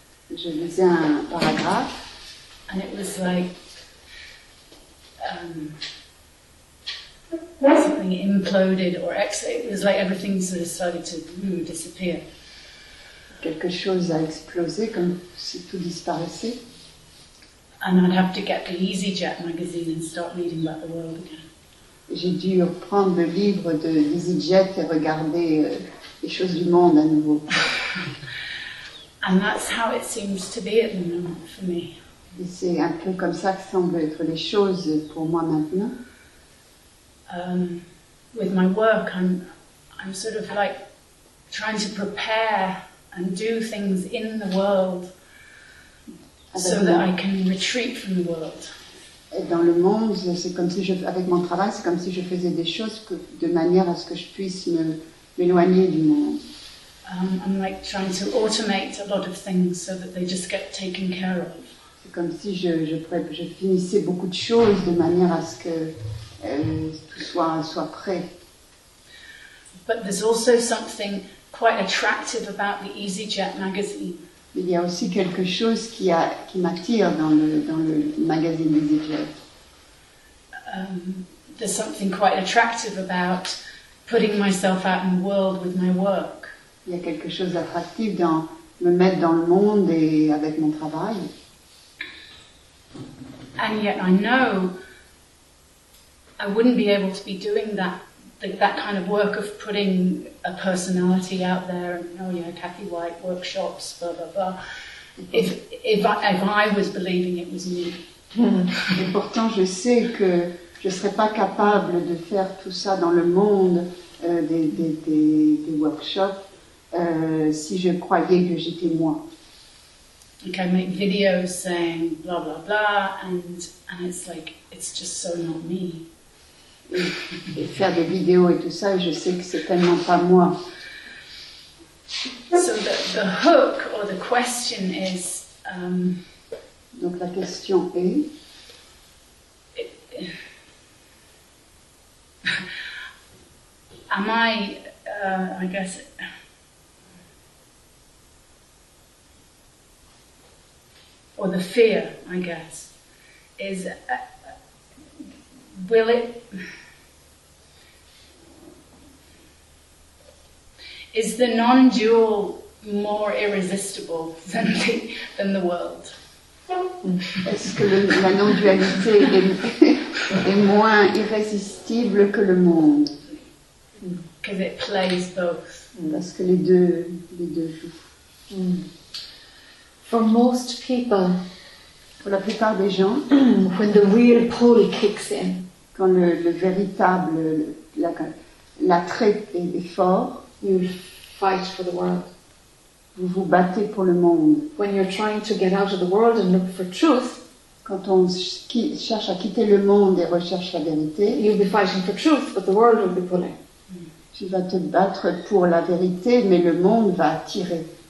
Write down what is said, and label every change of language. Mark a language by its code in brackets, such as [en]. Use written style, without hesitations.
[fr] Je lisais un paragraphe. [en] And it was like something imploded or it was like everything sort of started to disappear. [fr] Quelque chose a explosé comme si tout disparaissait. [en] And I'd have to get the EasyJet magazine and start reading about the world again. [fr] J'ai dû prendre le livre de EasyJet et regarder les choses du monde à nouveau. [en] And that's how it seems to be at the moment for me. [fr] Et c'est un peu comme ça que semblent être les choses pour moi maintenant. [en] With my work, I'm sort of like trying to prepare and do things in the world so that I can retreat from the world. [fr] Et dans le monde, c'est comme si je, avec mon travail, c'est comme si je faisais des choses que, de manière à ce que je puisse m'éloigner du monde. [en] I'm like trying to automate a lot of things so that they just get taken care of. [fr] C'est comme si je finissais beaucoup de choses de manière à ce que tout soit prêt. [en] But there's also something quite attractive about the EasyJet magazine. [fr] Il y a aussi quelque chose qui m'attire dans le magazine EasyJet. [en] There's something quite attractive about putting myself out in the world with my work. [fr] Il y a quelque chose d'attractif dans me mettre dans le monde et avec mon travail. [en] And yet I know I wouldn't be able to be doing that kind of work of putting a personality out there and, oh yeah, Kathy White workshops, blah blah blah, if I was believing it was me. [fr] Et pourtant je sais que je ne serais pas capable de faire tout ça dans le monde, des workshops. Si je croyais que j'étais moi. [en] Like I make videos saying blah blah blah and it's like it's just so not me. [fr] Et faire des vidéos et tout ça, je sais que c'est tellement pas moi. [en] So the hook or the question is. [fr] Donc la question est. [en] Am I? I guess. Or the fear, I guess, is will it? Is the non-dual more irresistible than the world? [fr] Est-ce que la non-dualité est moins irrésistible que le monde? [en] Because it plays both. [fr] Parce que les deux jouent. [en] For most people, [fr] pour la plupart des gens, [en] when the real pull kicks in, [fr] quand le véritable l'attrait est fort, [en] you fight for the world. [fr] Vous vous battez pour le monde. [en] When you're trying to get out of the world and look for truth, [fr] quand on cherche à quitter le monde et recherche la vérité, [en] you'll be fighting for truth, but the world will be pulling. [fr] Tu vas te battre pour la vérité, mais le monde va tirer.